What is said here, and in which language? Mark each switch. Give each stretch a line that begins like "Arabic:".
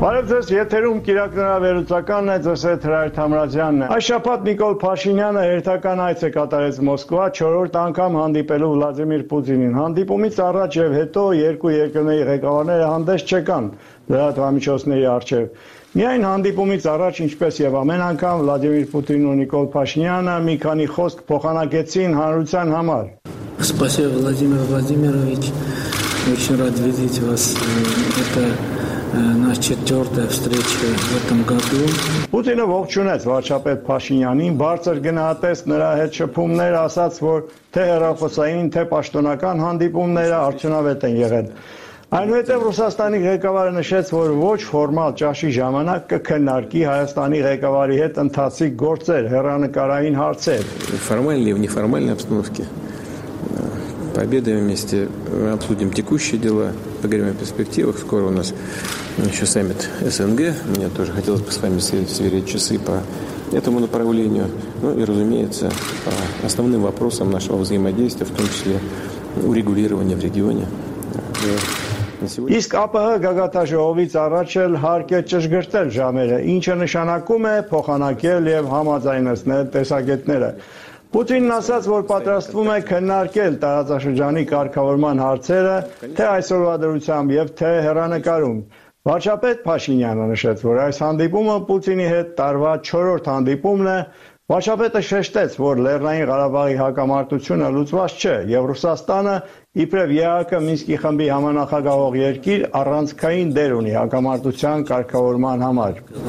Armenian: Ձեզ եթերում կիրակնորավերուցական այդ ասետ Հրայր Թամրազյանն է։ Այս շաբաթ Նիկոլ Փաշինյանը հերթական այց է կատարեց Մոսկվա 4-րդ անգամ հանդիպելու Վլադիմիր Պուտինին։ Հանդիպումից առաջ եւ հետո երկու երկրների ղեկավարները հանդես չեկան լրատվամիջոցների առջեւ։ Միայն հանդիպումից առաջ, ինչպես եւ ամեն անգամ, Վլադիմիր Պուտինն ու Նիկոլ Փաշինյանը մի քանի խոսք փոխանակեցին հանրության համար։
Russian: Спасибо, Владимир Владимирович. Очень рад видеть вас. Это наша четвертая встреча в этом году.
Armenian: Путин ողջունեց վարչապետ Փաշինյանին, բարձր գնահատեց նրա հետ շփումներ, ասաց, որ թե հեռախոսային, թե պաշտոնական հանդիպումները արդյունավետ են եղել. Այնուհետև Ռուսաստանի ղեկավարը նշեց, որ ոչ ֆորմալ ճաշի ժամանակ կքննարկի Հայաստանի ղեկավարի հետ ընթացիկ գործեր, հեռանկարային հարցեր.
Russian: Формальные и неформальные обстановки. Пообедаем вместе, обсудим текущие дела, поговорим о перспективах. Скоро у нас еще саммит СНГ. Мне тоже хотелось бы с вами сверить часы по этому направлению. Ну и, разумеется, по основным вопросам нашего взаимодействия, в том числе урегулирования в регионе.
Armenian: Իսկ ԱՊՀ գագաթաժողովից առաջ էլ հարկ է ճշգրտել ժամերը, ինչը նշանակում է փոխանակել և համաձայնեցնել տեսակետները։ Պուտինն ասաց, որ պատրաստվում է քննարկել տարածաշրջանի կարգավորման հարցերը, թե այսօրվա դրությամբ և թե հեռանկարում։ Վարչապետ Փաշինյանը նշեց, որ այս հանդիպումը Պուտինի հետ տարվա 4-րդ հանդիպումն է։ Վարչապետը շեշտեց, որ Լեռնային Ղարաբաղի հակամարտությունը լուծված չէ, և Ռուսաստանը, իբրև ԵԱԿ-ը, Մինսկի խմբի համանախագահող երկիր, առանցքային դեր ունի հակամարտության կարգավորման համար։